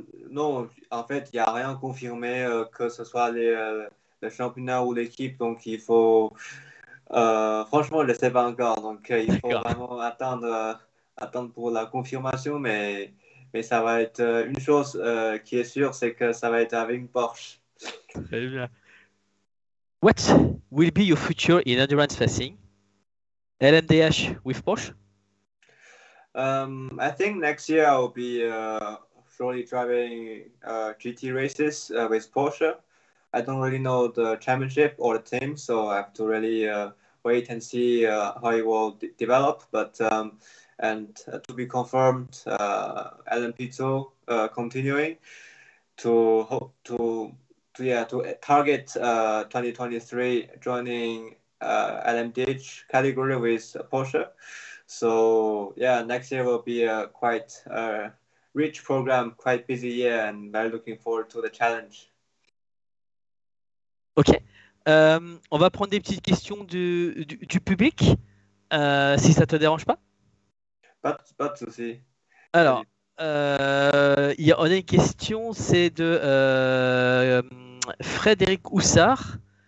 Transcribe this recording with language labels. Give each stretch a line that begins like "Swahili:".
French: Non, en fait, il n'y a rien confirmé que ce soit le championnat ou l'équipe, donc il faut franchement, je ne sais pas encore, donc il D'accord. faut vraiment attendre pour la confirmation, mais ça va être une chose qui est sûre, c'est que ça va être avec une Porsche. Très bien.
English: What will be your future in endurance racing? LMDH with Porsche? I think next year I will be surely driving GT races with Porsche. I don't really know the championship or the team, so I have to really wait and see how it will develop. But to be confirmed, LMP2 continuing to target 2023 joining LMDH category with Porsche. So yeah, next year will be quite rich program, quite busy year, and very looking forward to the challenge.
French: Ok, on va prendre des petites questions du public, si ça te dérange pas. Pas de souci. Alors, on a une question, c'est de Frédéric Houssard.